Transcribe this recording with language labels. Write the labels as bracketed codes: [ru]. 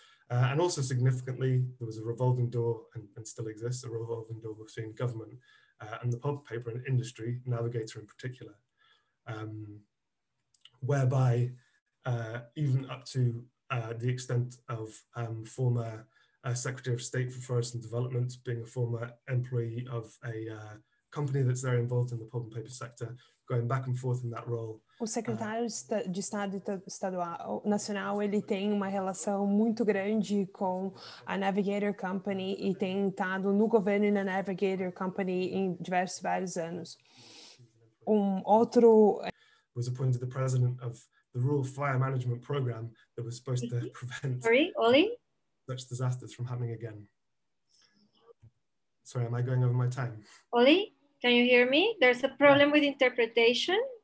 [en] And also significantly, there was a revolving door, and still exists, a revolving door between government and the pulp paper and industry, Navigator in particular, whereby even up to the extent of former Secretary of State for Forest and Development being a former employee of a company that's very involved in the pulp and paper sector, going back and forth in that role. [pt] O secretário de Estado estadual nacional, ele tem uma relação muito grande com a Navigator Company e tem estado no governo e na Navigator Company em diversos vários anos. [en] Was appointed the president of the rural fire management program that was supposed to prevent such disasters from happening again. Sorry, am I going over my time? Oli, can you hear me? There's a problem with interpretation.